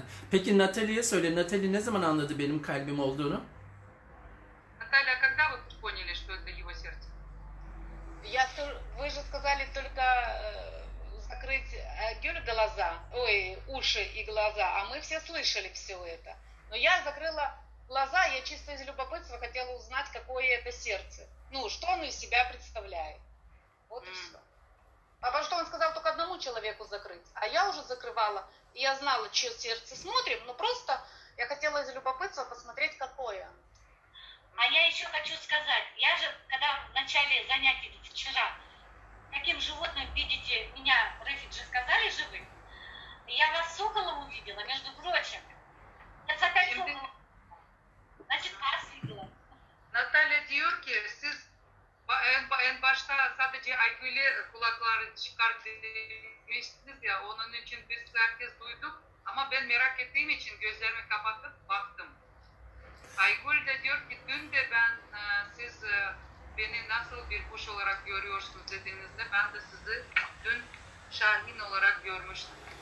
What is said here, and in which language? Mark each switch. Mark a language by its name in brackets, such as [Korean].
[Turkish] Peki Natalie'ye söyle, Natalie ne zaman anladı benim kalbim olduğunu? [Russian] Natalia, когда вы поняли, что это его сердце? Я вы же сказали только закрыть Гюль глаза, ой, уши и глаза, а мы все слышали все это. Но я закрыла глаза, я чисто из любопытства хотела узнать, какое это сердце. Ну, что оно из себя представляет. Вот и все. А потому что он сказал только одному человеку закрыть, а я уже закрывала. Я знала, чье сердце смотрим, но просто я хотела из любопытства посмотреть, какое. А я еще хочу сказать, я же, когда в начале занятий вчера, каким животным видите меня, Рафид же сказали живым, я вас соколом увидела, между прочим. Я за кольцом. Значит, вас видела. [Turkish] Natalya diyor ki siz en başta sadece IQ'li kulakları çıkart demiştiniz ya, onun için biz herkes duyduk ama ben merak ettiğim için gözlerimi kapatıp baktım. Aygül de diyor ki dün de ben siz beni nasıl bir kuş olarak görüyorsunuz dediğinizde ben de sizi dün şahin olarak görmüştüm.